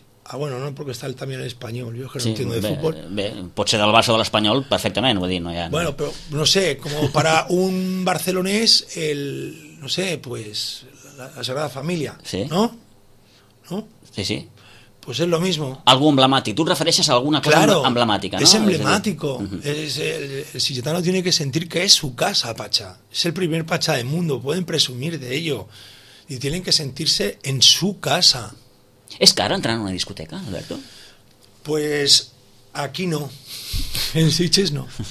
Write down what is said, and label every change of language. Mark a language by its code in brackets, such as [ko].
[es] Ah, bueno, no, porque está el, también el español, yo que no, sí, entiendo de [ca] bé, [es] fútbol. [ca] Bé, pot ser del Barça o de l'Espanyol perfectament, vull dir, no hi ha... Bueno, però no sé, com per a un barcelonès, el, no sé, pues, la Sagrada Família, sí. No? Sí, sí. [es] Pues es lo mismo. [ca] Algú emblemàtic, tu et refereixes a alguna cosa, claro, emblemàtica, no? [es] Claro, es emblemático. El sitgetano tiene que sentir que es su casa, Pachá. Es el primer Pachá del mundo, pueden presumir de ello. Y tienen que sentirse en su casa. ¿Es caro entrar en una discoteca, Alberto? Pues aquí no. En Sitges no.